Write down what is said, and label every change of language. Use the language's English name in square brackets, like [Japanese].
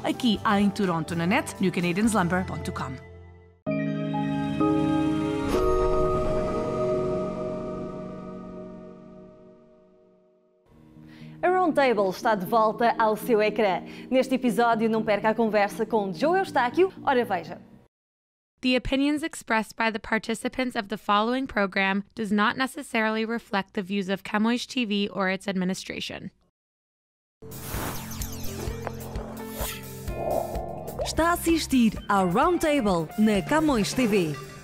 [Portuguese] Aqui, em Toronto, na net, newcanadianslumber.com. A Roundtable está de volta ao seu ecrã. Neste episódio, não perca a conversa com Joe Eustáquio. Ora veja. [English] The opinions expressed by the participants of the following program does not necessarily reflect the views of Camões TV or its administration. [Portuguese] Está a assistir ao Roundtable na Camões TV.